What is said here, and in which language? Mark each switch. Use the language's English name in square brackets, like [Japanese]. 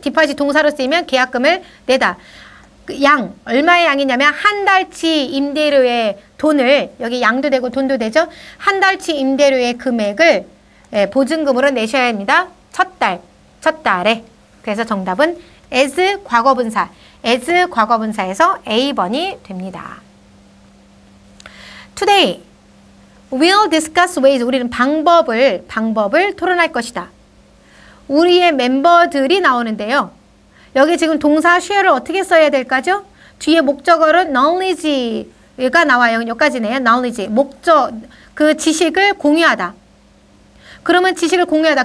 [Korean] deposit 동사로 쓰이면 계약금을 내다. 양 얼마의 양이냐면 한 달치 임대료의 돈을 여기 양도 되고 돈도 되죠. 한 달치 임대료의 금액을 예, 보증금으로 내셔야 합니다. 첫 달에. 그래서 정답은 as 과거분사. as 과거분사에서 A번이 됩니다. [English] Today, we'll discuss ways. [Korean] 우리는 방법을 토론할 것이다. 우리의 멤버들이 나오는데요. 여기 지금 동사 share를 어떻게 써야 될까죠? 뒤에 목적어로 knowledge가 나와요. 여기까지네요. knowledge. 목적, 그 지식을 공유하다. 그러면 지식을 공유하다.